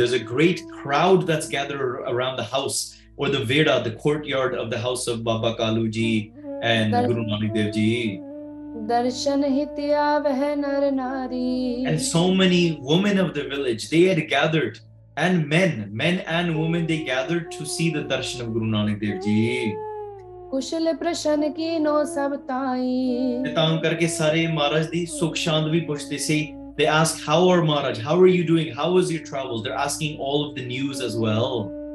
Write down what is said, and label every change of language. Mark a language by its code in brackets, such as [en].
[en] There's a great crowd that's gathered around the house or the veda, the courtyard of the house of Baba Kalu Ji and Guru Nanak Dev Ji. [pa] Darshan hit aavah nar nari. [en] And so many women of the village, they had gathered, and men and women, they gathered to see the darshan of Guru Nanak Dev Ji. [pa] ਕੁਸ਼ਲ ਪ੍ਰਸ਼ਨ ਕੀ ਨੋ ਸਭ ਤਾਈ ਤੇ ਤਾਂ ਕਰਕੇ ਸਾਰੇ ਮਹਾਰਾਜ ਦੀ ਸੁਖ ਸ਼ਾਂਤ ਵੀ ਪੁੱਛਦੇ ਸੀ. [en] They ask, how are Maharaj, how are you doing, how was your travels? They're asking all of the news as well.